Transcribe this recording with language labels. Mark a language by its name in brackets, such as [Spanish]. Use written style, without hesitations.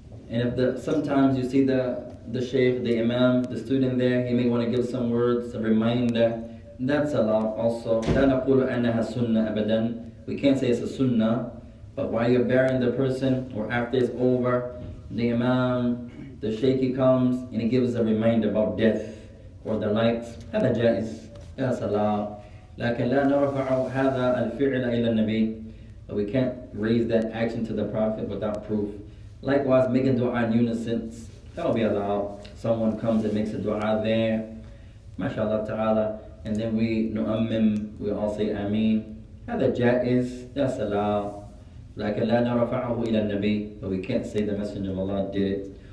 [English] And if sometimes you see the sheikh, the imam, the student there, he may want to give some words, a reminder. That's allowed also. We can't say it's a sunnah, but while you're burying the person or after it's over, the imam, the sheikh, he comes and he gives a reminder about death or the likes. [Arabic] هذا جائز. [English] That's allowed. [Arabic] لكن لا نرفع هذا الفعل إلى النبي. [English] But we can't raise that action to the Prophet without proof. Likewise, making dua in unison, that'll be allowed. Someone comes and makes a dua there, mashallah ta'ala, and then we nu'ammim, we all say ameen. [Arabic] Hadha ja'iz, [English] that's allowed. Like [Arabic] la narafa'ahu ila nabi, [English] but we can't say the Messenger of Allah did it.